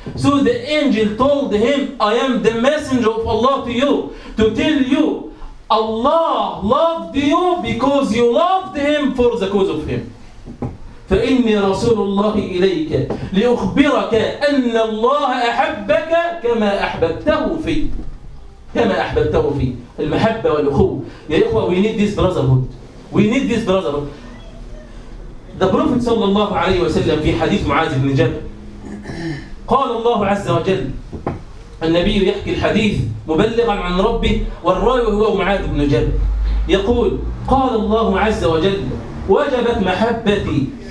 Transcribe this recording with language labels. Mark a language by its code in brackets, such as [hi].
[en] So the angel told him, I am the messenger of Allah to you, to tell you, Allah loved you because you loved him for the cause of him. [ar] فإني رسول الله إليك لأخبرك أن الله أحبك كما أحببته في كما أحببته في المحبة والأخوة. يا إخوة, [en] we need this brotherhood. We need this brotherhood. The Prophet [ar] صلى الله عليه وسلم في حديث معاذ بن جبل قال الله عز وجل, النبي يحكي الحديث مبلغا عن ربه والراوي هو معاذ بن جبل, يقول قال الله عز وجل, وجبت محبتي